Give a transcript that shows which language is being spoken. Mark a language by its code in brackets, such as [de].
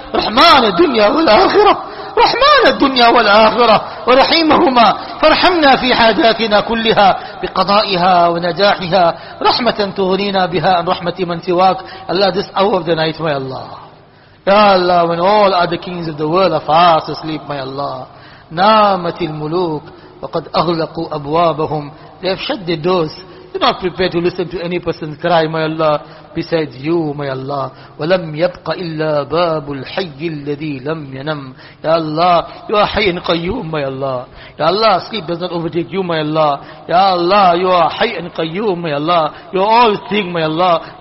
[ar] رحمان الدنيا والآخرة رحمان الدنيا والآخرة ورحيمهما فارحمنا في حاجاتنا كلها بقضائها ونجاحها رحمة تغنينا بها عن رحمة من سواك. [en] Allah, this hour of the night, my Allah. Ya Allah, when all other kings of the world are fast asleep, my Allah. [ar] نامت الملوك وقد أغلقوا أبوابهم. [en] They have shut their doors. You're not prepared to listen to any person's cry, my Allah, besides you, my Allah. [ar] وَلَمْ يَبْقَ إِلَّا بَابُ الْحَيِّ الَّذِي لَمْ يَنَمْ. [en] Ya Allah, you are hayy and qayyum, my Allah. Ya Allah, sleep does not overtake you, my Allah. Ya Allah, you are hayy and qayyum, my Allah. You are all seeing, my Allah.